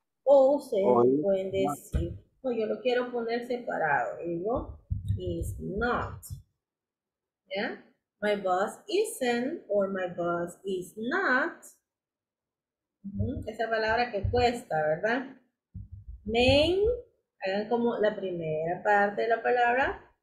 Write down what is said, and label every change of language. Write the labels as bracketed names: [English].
[Spanish] O ustedes pueden decir, no, yo lo quiero poner separado. Digo, [English] is not. [Spanish] ¿Ya? [English] My boss isn't or my boss is not. [Spanish] Uh-huh. Esa palabra que cuesta, ¿verdad? Main, hagan como la primera parte de la palabra.